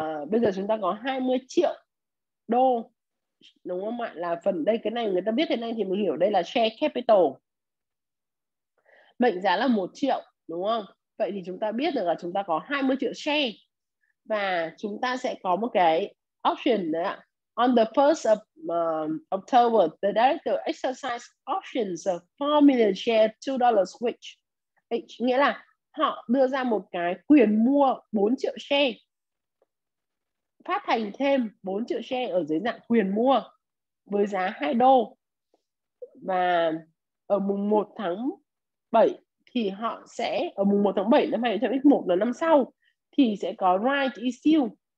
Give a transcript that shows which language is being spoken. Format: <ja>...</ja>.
<vi>Bây giờ chúng ta có 20 triệu đô, đúng không ạ? Là phần đây, cái này người ta biết thế này thì mình hiểu đây là share capital, mệnh giá là 1 triệu, đúng không? Vậy thì chúng ta biết được là chúng ta có 20 triệu share, và chúng ta sẽ có một cái option đấy ạ,</vi> <en>On the 1st of October, the director exercise options of 4 million share $2 which.</en> <vi>Nghĩa là họ đưa ra một cái quyền mua 4 triệu share. Phát hành thêm 4 triệu share ở dưới dạng quyền mua với giá $2. Và ở mùng 1 tháng 7 thì họ sẽ, ở mùng 1 tháng 7 năm 2021 là năm sau, thì sẽ có right issue.</vi>